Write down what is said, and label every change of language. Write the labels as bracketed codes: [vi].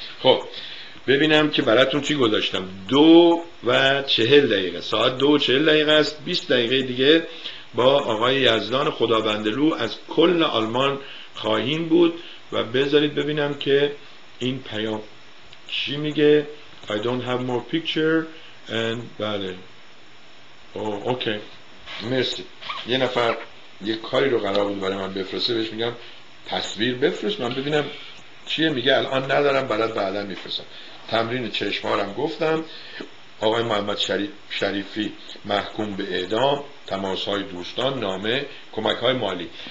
[fa] خب ببینم که براتون چی گذاشتم. 2:40 ساعت 2:40 است، 20 دقیقه دیگه با آقای یزدان خدابندلو از کل آلمان خواهیم بود و بذارید ببینم که این پیام چی میگه. [en] I don't have more picture and بله oh, okay. [fa] مرسی. یه نفر یه کاری رو قرار بود برای من بفرسته، بهش میگم تصویر بفرست من ببینم چیه، میگه الان ندارم، برات بعدا میفرستم. تمرین چشمارم گفتم. آقای محمد شریفی محکوم به اعدام، تماس‌های دوستان، نامه، کمک‌های مالی.